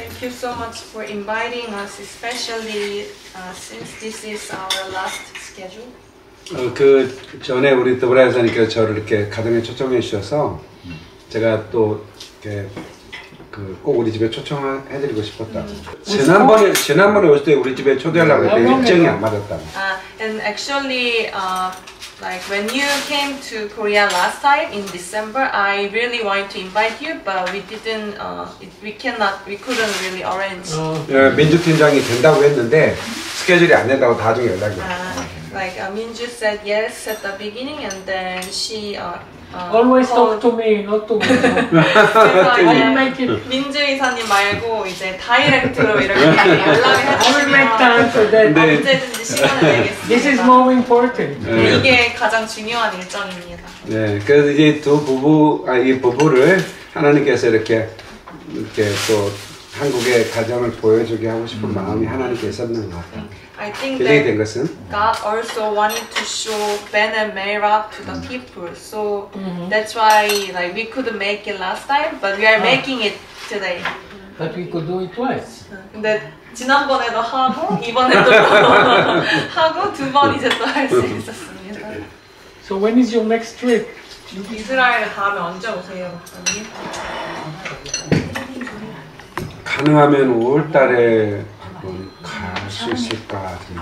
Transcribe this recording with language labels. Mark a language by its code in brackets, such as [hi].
[en] Thank you so much for inviting us, especially since this is our last schedule. [ko] 그 전에 우리 더불아 여사님께서 저를 이렇게 가정에 초청해 주셔서 제가 또 이렇게 꼭 우리 집에 초청해드리고 싶었다. 지난번에 지난번에 오실 때 우리 집에 초대하려고 했는데 일정이 안 맞았다고. [en] And actually, like when you came to Korea last time in December, I really wanted to invite you, but we didn't. We couldn't really arrange. [ko] 민주 팀장이 된다고 했는데 스케줄이 안 된다고 나중에 연락이 왔어. [en] Like Minju said yes at the beginning, and then she. Always talk to me, not to me. [ko] Minju 이사님 말고 이제 다이렉트로 이렇게 연락을 해주세요. [en] I will make time for that. [ko] 언제든지 시간을 내겠습니다. [en] This is more important. [ko] 이게 가장 중요한 일정입니다. 네, 그래서 이제 두 부부, 이 부부를 하나님께서 이렇게 또 한국의 가정을 보여주게 하고 싶은 마음이 하나님께 있었는가. [en] I think that God also wanted to show Ben and Mayra to the people. So that's why like, we couldn't make it last time, but we are making it today. But we could do it twice. [ko] 근데 지난번에도 하고, 이번에도 하고, 두 번 이제 또 할 수 있었습니다. [en] So when is your next trip? [ko] 이스라엘 다음에 언제 오세요, 박사님? 가능하면 5월달에 갈 수 있을까?